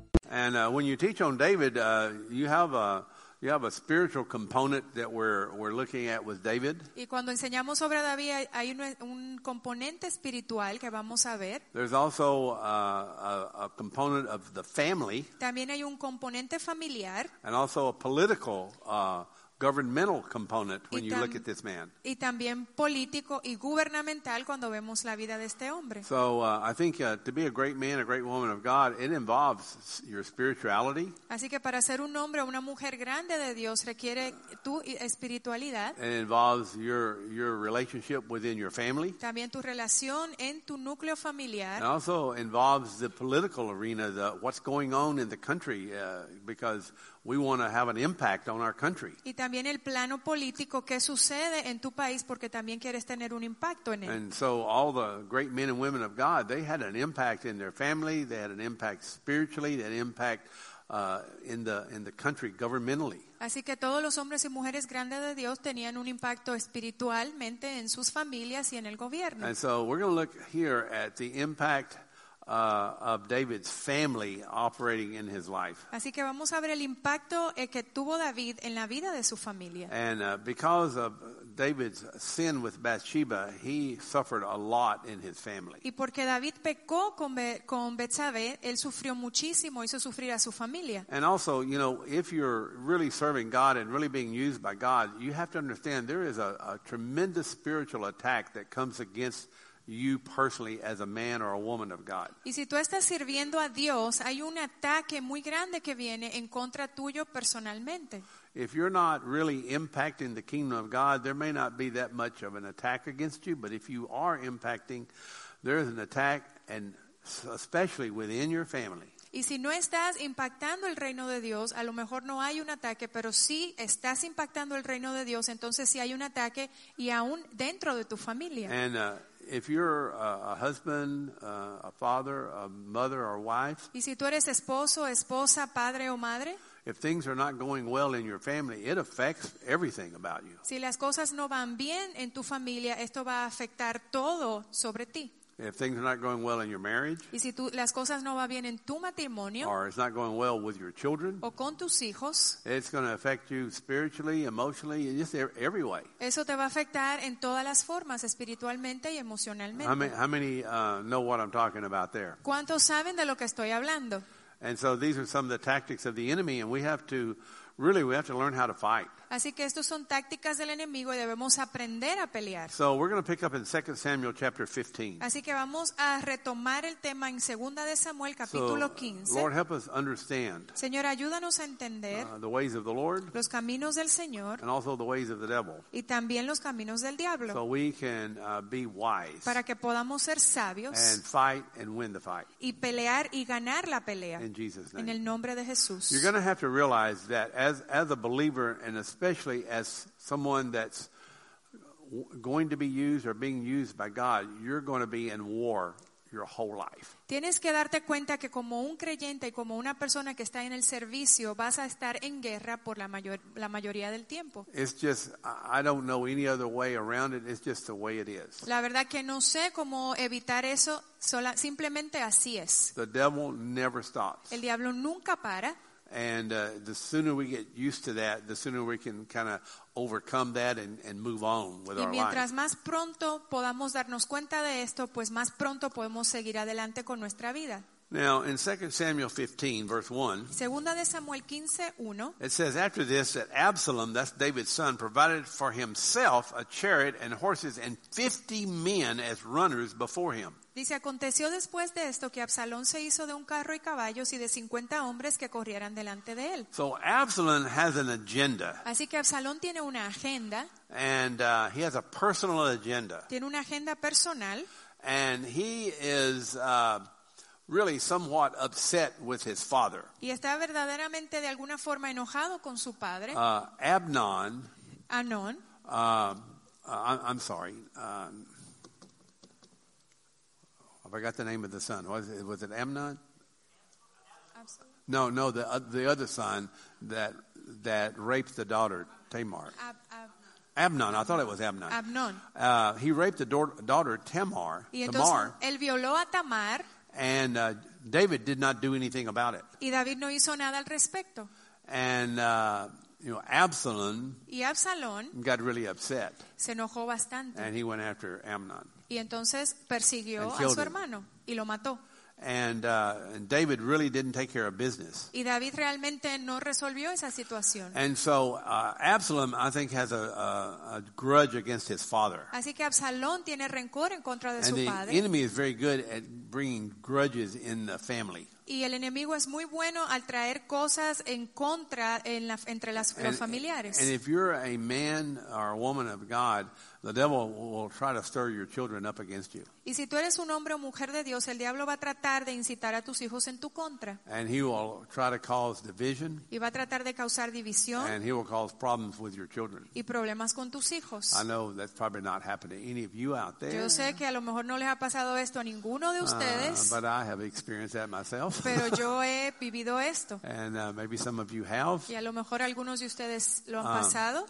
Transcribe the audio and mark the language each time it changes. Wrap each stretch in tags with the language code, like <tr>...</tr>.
<en>And when you teach on David, you have a spiritual component that we're looking at with David.</en> <es>Y cuando enseñamos sobre David hay un componente espiritual que vamos a ver.</es> <en>There's also a component of the family.</en> <es>También hay un componente familiar.</es> <en>And also a political governmental component when you look at this man.</en> <es>Y también político y gubernamental cuando vemos la vida de este hombre.</es> <en>So I think to be a great man, a great woman of God, it involves your spirituality.</en> <es>Así que para ser un hombre o una mujer grande de Dios requiere tu espiritualidad.</es> <en>It involves your relationship within your family.</en> <es>También tu relación en tu núcleo familiar.</es> <en>It also involves the political arena, the what's going on in the country, because we want to have an impact on our country.</en> <es>Y también el plano político, qué sucede en tu país, porque también quieres tener un impacto en él.</es> <en>And so all the great men and women of God, they had an impact in their family, they had an impact spiritually, they had an impact in the country governmentally.</en> <es>Así que todos los hombres y mujeres grandes de Dios tenían un impacto espiritualmente en sus familias y en el gobierno.</es> <en>And so we're going to look here at the impact of David's family operating in his life.</en> <es>Así que vamos a ver el impacto que tuvo David en la vida de su familia.</es> <en>And because of David's sin with Bathsheba, he suffered a lot in his family.</en> <es>Y porque David pecó con Betsabé, él sufrió muchísimo, hizo sufrir a su familia.</es> <en>And also, you know, if you're really serving God and really being used by God, you have to understand there is a tremendous spiritual attack that comes against you personally as a man or a woman of God.</en> <es>Y si tú estás sirviendo a Dios, hay un ataque muy grande que viene en contra tuyo personalmente.</es> <en>If you're not really impacting the kingdom of God, there may not be that much of an attack against you, but if you are impacting, there is an attack, and especially within your family.</en> <es>Y si no estás impactando el reino de Dios, a lo mejor no hay un ataque, pero si estás impactando el reino de Dios, entonces sí hay un ataque, y aún dentro de tu familia.</es> <en>And if you're a husband, a father, a mother, or wife,</en> <es>y si tú eres esposo, esposa, padre o madre,</es> <en>if things are not going well in your family, it affects everything about you.</en> <es>Si las cosas no van bien en tu familia, esto va a afectar todo sobre ti.</es> <en>If things are not going well in your marriage,</en> <es>y si las cosas no va bien en tu matrimonio,</es> <en>or it's not going well with your children,</en> <es>o con tus hijos,</es> <en>it's going to affect you spiritually, emotionally, just every way.</en> <es>Eso te va a afectar en todas las formas, espiritualmente y emocionalmente.</es> <en>How many know what I'm talking about there?</en> <es>¿Cuántos saben de lo que estoy hablando?</es> <en>And so these are some of the tactics of the enemy, and we have to learn how to fight.</en> <es>Así que estos son tácticas del enemigo y debemos aprender a pelear.</es> <en>So we're going to pick up in 2 Samuel chapter 15.</en> <es>Así que vamos a retomar el tema en 2 de Samuel capítulo 15.</es> <en>So, Lord, help us understand.</en> <es>Señor, ayúdanos a entender</es> <en>the ways of the Lord,</en> <es>los caminos del Señor,</es> <en>and also the ways of the devil,</en> <es>y también los caminos del diablo.</es> <en>So we can be wise,</en> <es>para que podamos ser sabios,</es> <en>and fight and win the fight,</en> <es>y pelear y ganar la pelea.</es> <en>In Jesus' name.</en> <es>En el nombre de Jesús.</es> <en>You're going to have to realize that as a believer and a especially as someone that's going to be used or being used by God, you're going to be in war your whole life.</en> <es>Tienes que darte cuenta que como un creyente y como una persona que está en el servicio, vas a estar en guerra por la mayoría del tiempo.</es> <en>It's just, I don't know any other way around it. It's just the way it is.</en> <es>La verdad que no sé cómo evitar eso. Simplemente así es.</es> <en>The devil never stops.</en> <es>El diablo nunca para.</es> <en>And the sooner we get used to that, the sooner we can kind of overcome that and move on with our life.</en> <es>Y mientras más pronto podamos darnos cuenta de esto, pues más pronto podemos seguir adelante con nuestra vida.</es> <en>Now, in 2 Samuel 15, verse 1,</en> <es>Segunda de Samuel 15:1,</es> <en>it says, after this, that Absalom, that's David's son, provided for himself a chariot and horses and 50 men as runners before him.</en> <es>Dice, aconteció después de esto que Absalón se hizo de un carro y caballos y de 50 hombres que corrieran delante de él.</es> <en>So Absalom has an agenda.</en> <es>Así que Absalón tiene una agenda.</es> <en>And he has a personal agenda.</en> <es>Tiene una agenda personal.</es> <en>And he is really somewhat upset with his father.</en> <es>Y está verdaderamente de alguna forma enojado con su padre.</es> <en>Amnon. I'm sorry. I forgot the name of the son. Was it Amnon? Absalom. No, the other son that raped the daughter, Tamar. Amnon. I thought it was Amnon. Amnon. He raped the daughter, Tamar.</en> <es>Y entonces, él violó a Tamar.</es> <en>And David did not do anything about it.</en> <es>Y David no hizo nada al respecto.</es> <en>And Absalom got really upset.</en> <es>Se enojó bastante.</es> <en>And he went after Amnon.</en> <es>Y entonces persiguió a su hermano y lo mató.</es> <en>And David really didn't take care of business.</en> <es>Y David realmente no resolvió esa situación.</es> <en>And so Absalom, I think, has a grudge against his father.</en> <es>Así que Absalom tiene rencor en contra de</es> <en>and</en> <es>su</es> <en>the</en> <es>padre.</es> <en>Enemy is very good at bringing grudges in the family.</en> <es>Y el enemigo es muy bueno al traer cosas en contra en la, entre las, los familiares.</es> <en>And if you're a man or a woman of God, the devil will try to stir your children up against you.</en> <es>Y si tú eres un hombre o mujer de Dios, el diablo va a tratar de incitar a tus hijos en tu contra.</es> <en>And he will try to cause division.</en> <es>Y va a tratar de causar división.</es> <en>And he will cause problems with your children.</en> <es>Y problemas con tus hijos.</es> <en>I know that's probably not happened to any of you out there.</en> <es>Yo sé que a lo mejor no les ha pasado esto a ninguno de ustedes.</es> <en>But I have experienced that myself.</en> <es>Pero yo he vivido esto.</es> <en>And maybe some of you have.</en> <es>Y a lo mejor algunos de ustedes lo han pasado.</es>